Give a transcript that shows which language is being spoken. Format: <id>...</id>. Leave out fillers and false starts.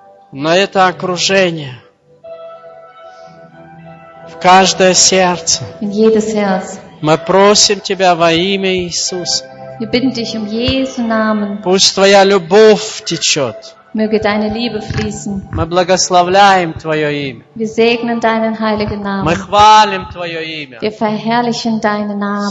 <ru>На это окружение, в каждое сердце.</ru> <de>In jedes Herz.</de> <ru>Мы просим Тебя во имя Иисуса.</ru> <de>Wir bitten dich um Jesu Namen.</de> <ru>Пусть Твоя любовь течет.</ru> <de>Möge deine Liebe fließen.</de> <ru>Мы благословляем Твое имя.</ru> <de>Wir segnen deinen heiligen Namen.</de> <ru>Мы хвалим Твое имя.</ru> <de>Wir verherrlichen deinen Namen.</de>